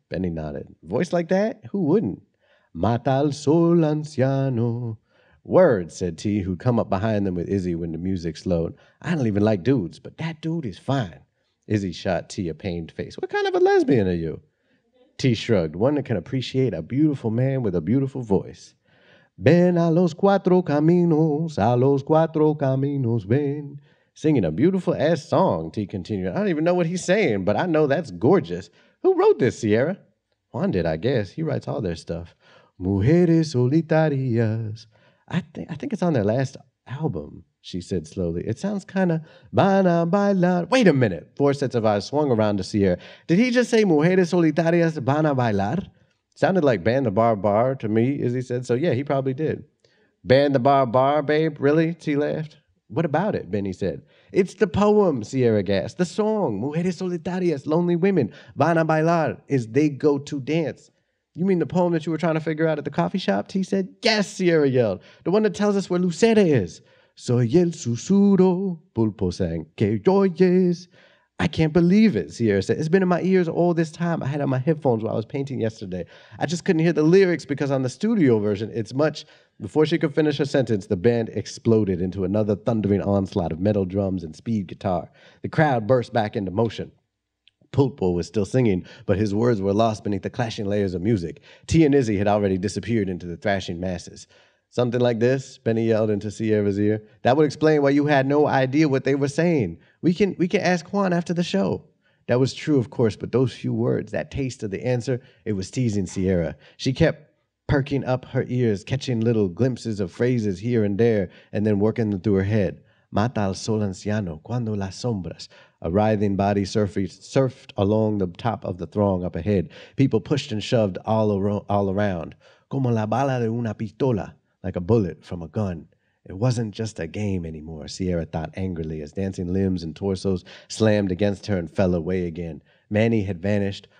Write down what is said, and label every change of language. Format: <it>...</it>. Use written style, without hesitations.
<en>Benny nodded. "Voice like that? Who wouldn't?"</en> <es>"Mata al sol anciano."</es> <en>"Word," said T, who'd come up behind them with Izzy when the music slowed. "I don't even like dudes, but that dude is fine." Izzy shot T a pained face. "What kind of a lesbian are you?" T shrugged. "One that can appreciate a beautiful man with a beautiful voice."</en> <es>"Ven a los cuatro caminos, a los cuatro caminos, ven."</es> <en>"Singing a beautiful-ass song," T continued. "I don't even know what he's saying, but I know that's gorgeous. Who wrote this, Sierra?" "Juan did, I guess. He writes all their stuff."</en> <es>"Mujeres solitarias."</es> <en>I think it's on their last album," she said slowly. "It sounds kind of bana bailar." Wait a minute. Four sets of eyes swung around to Sierra. "Did he just say</en> <es>mujeres solitarias van a bailar?"</es> <en>"Sounded like Band the Bar Bar to me," Izzy said. "So yeah, he probably did." "Band the Bar Bar, babe? Really?" T laughed. What about it? Benny said. It's the poem, Sierra gasped. The song, Mujeres Solitarias, Lonely Women, Van a Bailar, is They Go to Dance. You mean the poem that you were trying to figure out at the coffee shop? T said. Yes, Sierra yelled. The one that tells us where Lucera is.</en> <es>Soy el susurro, Pulpo sang. Que joyes.</es> <en>I can't believe it, Sierra said. It's been in my ears all this time. I had on my headphones while I was painting yesterday. I just couldn't hear the lyrics because on the studio version, it's much... Before she could finish her sentence, the band exploded into another thundering onslaught of metal drums and speed guitar. The crowd burst back into motion. Pulpo was still singing, but his words were lost beneath the clashing layers of music. T and Izzy had already disappeared into the thrashing masses. Something like this, Benny yelled into Sierra's ear. That would explain why you had no idea what they were saying. We can ask Juan after the show. That was true, of course, but those few words, that taste of the answer, it was teasing Sierra. She kept perking up her ears, catching little glimpses of phrases here and there, and then working them through her head.</en> <es>Mata al sol anciano, cuando las sombras.</es> <en>A writhing body surfed along the top of the throng up ahead. People pushed and shoved all around.</en> <es>Como la bala de una pistola.</es> <en>Like a bullet from a gun. It wasn't just a game anymore, Sierra thought angrily as dancing limbs and torsos slammed against her and fell away again. Manny had vanished.</en>